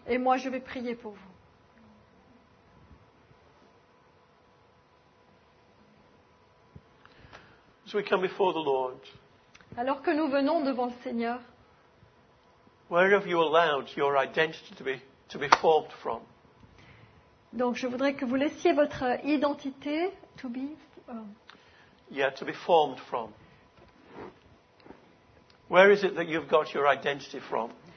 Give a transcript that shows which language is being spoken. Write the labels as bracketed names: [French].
[French] Et moi, je vais prier pour vous. [English] So we come before the Lord. [French] Alors que nous venons devant le Seigneur, [English] where have you allowed your identity to be? To be formed from. [French] Donc, je voudrais que vous laissiez votre identité [English] to be. To be formed from. Where is it that you've got your identity from?